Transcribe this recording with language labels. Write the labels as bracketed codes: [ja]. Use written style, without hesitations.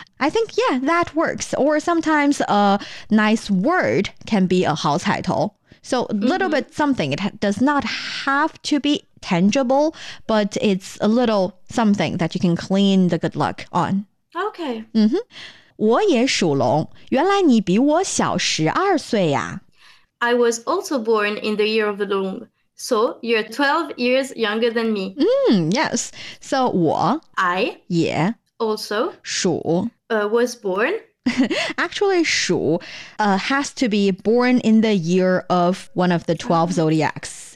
[en] I think, yeah, that works. Or sometimes a nice word can be a 好彩头. So a little bit something. It does not have to be tangible, but it's a little something that you can clean the good luck on. Okay. [zh] 我也属龙。原来你比我小十二岁呀。 [en] I was also born in the year of the Loong. So, you're 12 years younger than me. Yes. So, [zh] 我 [en] I [zh] 也 [en] also [zh] 属 [en] was born. Actually, 属 has to be born in the year of one of the 12 zodiacs.